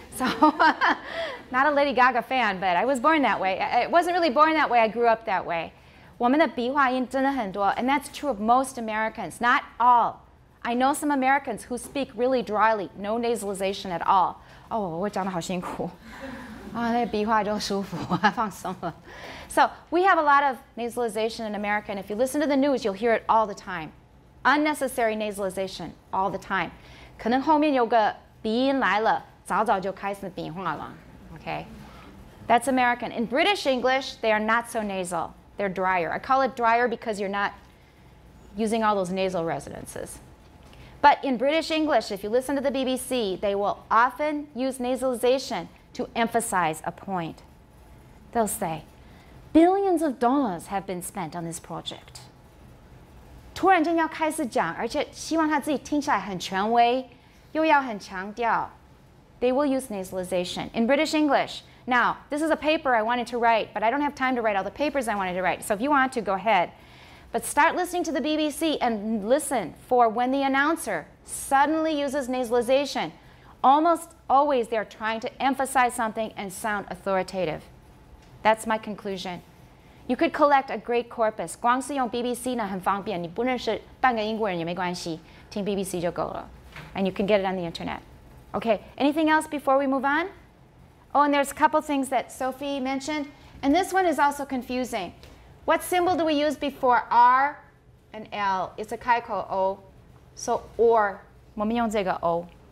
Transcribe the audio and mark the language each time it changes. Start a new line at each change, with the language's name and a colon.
English: So, not a Lady Gaga fan, but I was born that way. I wasn't really born that way, I grew up that way.
Chinese: 我们的鼻化音真的很多,
English: and that's true of most Americans, not all. I know some Americans who speak really dryly, no nasalization at all.
Chinese: Oh, 我讲得好辛苦。啊，那鼻化就舒服，放松了。
English: So, we have a lot of nasalization in America, and if you listen to the news, you'll hear it all the time. Unnecessary nasalization, all the time.
Chinese: 可能后面有个鼻音来了，早早就开始鼻化了。
English: Okay? That's American. In British English, they are not so nasal. They're drier. I call it drier because you're not using all those nasal resonances. But in British English, if you listen to the BBC, they will often use nasalization to emphasize a point. They'll say, billions of dollars have been spent on this project.
Chinese: 突然间要开始讲，而且希望他自己听起来很权威，又要很强调。
English: They will use nasalization in British English. Now, this is a paper I wanted to write, but I don't have time to write all the papers I wanted to write. So if you want to, go ahead. But start listening to the BBC and listen for when the announcer suddenly uses nasalization. Almost always they are trying to emphasize something and sound authoritative. That's my conclusion. You could collect a great corpus.
Chinese: 光是用 BBC 呢很方便，你不认识半个英国人也没关系，听 BBC 就够了。
English: And you can get it on the internet. Okay, anything else before we move on? Oh, and there's a couple things that Sophie mentioned. And this one is also confusing. What symbol do we use before R and L? It's a kaiko O. So or,
Chinese: 我们用这个 O.